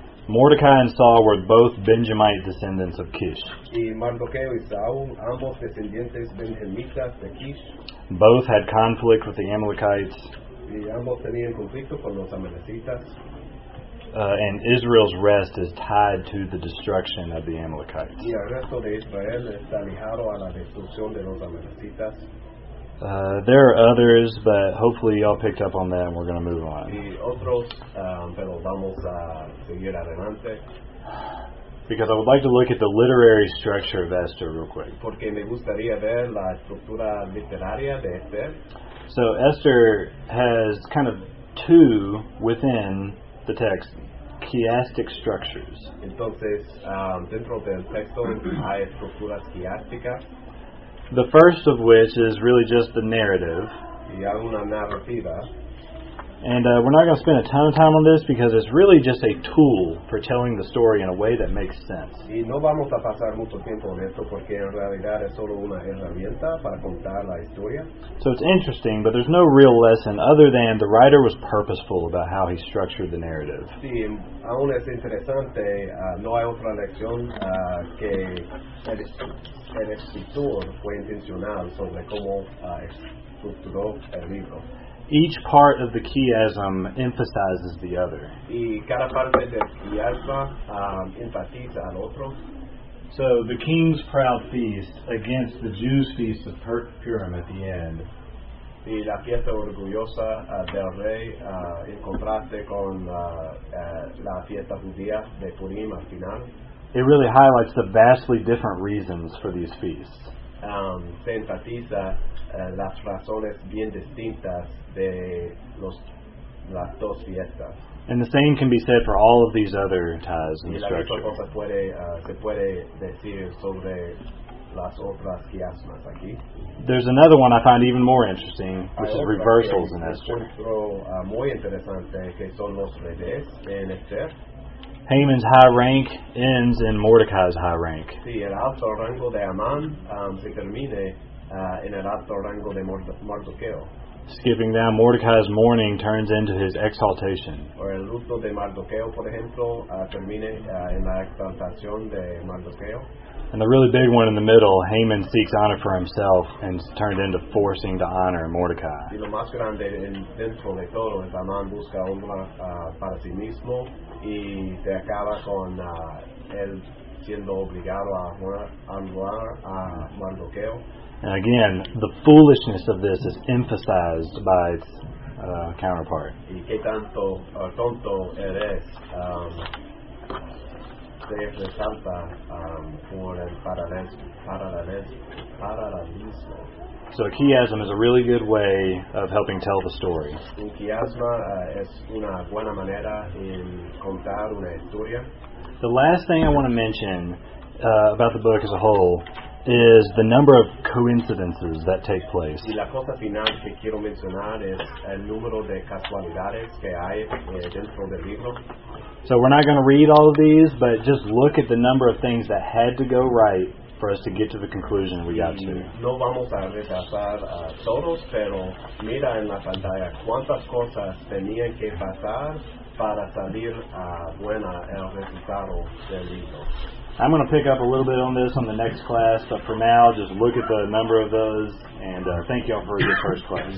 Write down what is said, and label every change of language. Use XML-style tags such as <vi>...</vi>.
<en>Mordecai and Saul were both Benjamite descendants of Kish.</en> <es>Y Mardoqueo y Saul, ambos descendientes benjamitas de Kish.</es> <en>Both had conflict with the Amalekites.</en> <es>Y ambos tenían conflicto con los Amalecitas.</es> <en>And Israel's rest is tied to the destruction of the Amalekites.</en> <es>Y el resto de Israel está ligado a la destrucción de los Amalecitas.</es> <en>There are others, but hopefully y'all picked up on that and we're going to move on.</en> <es>Y otros, pero vamos a seguir adelante.</es> <en>Because I would like to look at the literary structure of Esther real quick.</en> <es>Porque me gustaría ver la estructura literaria de Esther.</es> <en>So Esther has kind of two within the text, chiastic structures.</en> <es>Entonces, dentro del texto hay estructuras chiásticas.</es> <en>The first of which is really just the narrative.</en> <es>Y hay una narrativa.</es> <en>And we're not going to spend a ton of time on this because it's really just a tool for telling the story in a way that makes sense.</en> <es>Y no vamos a pasar mucho tiempo en esto porque en realidad es solo una herramienta para contar la historia.</es> <en>So it's interesting, but there's no real lesson other than the writer was purposeful about how he structured the narrative.</en> <es>Sí, aún es interesante, no hay otra lección que el escritor fue intencional sobre cómo estructuró el libro.</es> <en>Each part of the chiasm emphasizes the other.</en> <es>Y cada parte del chiasma, enfatiza al otro.</es> <en>So the king's proud feast against the Jews' feast of Purim at the end.</en> <es>Y la fiesta orgullosa del rey en contraste con la fiesta judía de Purim al final.</es> <en>It really highlights the vastly different reasons for these feasts.</en> <es>Se enfatiza las razones bien distintas de las dos fiestas.</es> <en>And the same can be said for all of these other ties in the structure.</en> <es>Y la misma cosa se puede decir sobre las otras quiasmas aquí.</es> <en>There's another one I find even more interesting, which is reversals in Esther.</en> <es>Muy interesante que son los revés en Esther.</es> <en>Haman's high rank ends in Mordecai's high rank.</en> <es>Sí, el alto rango de Amán se termina en el alto rango de Mardoqueo.</es> <en>Skipping down, Mordecai's mourning turns into his exaltation.</en> <es>Or el luto de Mardoqueo, por ejemplo, termina en la exaltación de Mardoqueo.</es> <en>And the really big one in the middle, Haman seeks honor for himself and is turned into forcing to honor Mordecai.</en> <es>Y lo más grande dentro de todo es Amán busca honra para sí mismo y se acaba con él siendo obligado a honrar a Mardoqueo.</es> <en>And again, the foolishness of this is emphasized by its counterpart.</en> <es>¿Y qué tanto tonto eres? Se resalta por el paralelismo.</es> <en>So a chiasm is a really good way of helping tell the story.</en> <es>Un chiasma es una buena manera en contar una historia.</es> <en>The last thing I want to mention about the book as a whole is the number of coincidences that take place.</en> <es>Y la cosa final que quiero mencionar es el número de casualidades que hay dentro del libro.</es> <en>So we're not going to read all of these, but just look at the number of things that had to go right for us to get to the conclusion we got to.</en> <es>No vamos a repasar todos, pero mira en la pantalla cuántas cosas tenían que pasar para salir buena el resultado del libro.</es> <en>I'm going to pick up a little bit on this on the next class, but for now, just look at the number of those, and thank you all for your first class.</en>